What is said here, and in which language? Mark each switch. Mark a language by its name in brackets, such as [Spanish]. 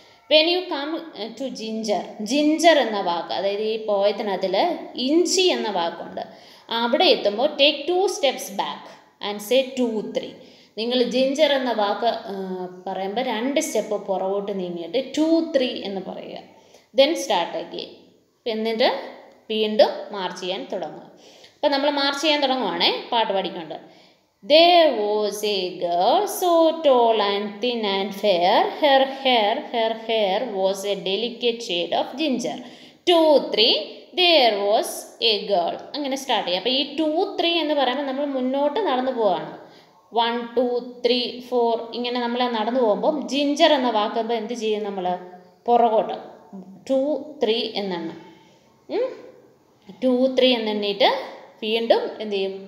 [English] when you come to ginger, ginger [Malayalam] എന്ന വാക്ക്, അതായത് ഈ പോയത്തിനകത്തിൽ ഇഞ്ചി എന്ന വാക്കുണ്ട്, അവിടെ എത്തുമ്പോൾ [English] Take two steps back and say two three. [Malayalam] നിങ്ങൾ ജിഞ്ചർ എന്ന വാക്ക് പറയുമ്പോൾ രണ്ട് സ്റ്റെപ്പ് പുറകോട്ട് നീങ്ങിയിട്ട് ടു ത്രീ എന്ന് പറയുക. [English] then start again, [Malayalam] എന്നിട്ട് വീണ്ടും മാർച്ച് ചെയ്യാൻ തുടങ്ങുക. അപ്പം നമ്മൾ മാർച്ച് ചെയ്യാൻ തുടങ്ങുവാണേ പാട്ട് പഠിക്കുന്നുണ്ട്. [English] There was a girl so tall and thin and fair. Her hair was a delicate shade of ginger. 2, 3, there was a girl. [Malayalam] അങ്ങനെ സ്റ്റാർട്ട് ചെയ്യുക. അപ്പോൾ ഈ 2, 3 എന്ന് പറയുമ്പോൾ നമ്മൾ മുന്നോട്ട് നടന്നു പോവാണ്. 1, 2, 3, 4 ഇങ്ങനെ നമ്മൾ നടന്നു പോകുമ്പം ജിഞ്ചർ എന്ന വാക്കുമ്പോൾ എന്ത് ചെയ്യും നമ്മൾ? പുറകോട്ട് 2, 3 എന്നെണ്ണം. 2, 3 എന്നെണ്ണിയിട്ട് വീണ്ടും എന്ത് ചെയ്യും?